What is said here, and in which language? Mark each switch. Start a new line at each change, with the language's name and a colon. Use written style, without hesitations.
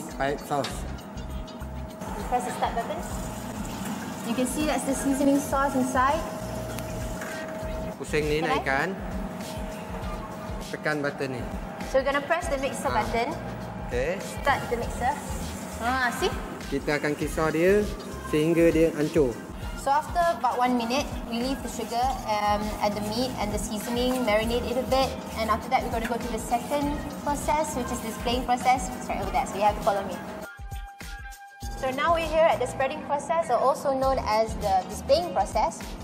Malay: Ni, sauce.
English: You press the start button. You can see that's the seasoning sauce inside.
Malay: Pusing ni, naikkan. Tekan button ni.
English: So, we're going to press the mixer button. Okay. Start the mixer. See?
Malay: Kita akan kisar dia sehingga dia hancur.
English: So after about 1 minute, we leave the sugar and the meat and the seasoning, marinate it a bit. And after that, we're going to go to the second process, which is the spraying process. It's right over there, so you have to follow me. So now we're here at the spreading process, or also known as the displaying process.